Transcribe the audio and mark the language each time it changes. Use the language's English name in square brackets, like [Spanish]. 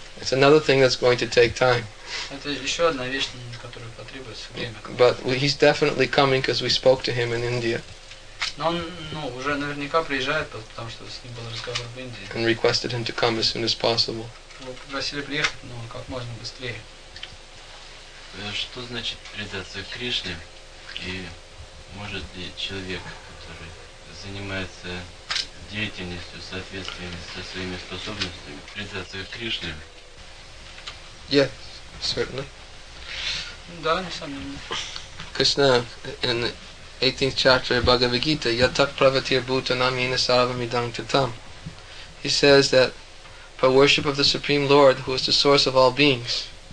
[English] It's another thing that's going to take time. [Russian] Это еще одна вещь, на которую потребуется время. [English] But he's definitely coming because we spoke to him in India. [Russian] Но он, ну, уже наверняка приезжает, потому что с ним был разговор в Индии. [English] And requested him to come as soon as possible. [Russian] Попросили приехать, но как можно быстрее. Что значит предаться Кришне? И может ли человек, который занимается деятельностью в соответствии со своими способностями, предаться Кришне? [English] Yes, certainly. [Russian] Да, несомненно. [English] Кришна, in the 18th chapter of Bhagavad Gita, [Sanskrit] Yatak Pravatir Bhutanam Yena Sarvam Idam Kritam, [English] he says that by worship of the Supreme Lord, who is the source of all beings.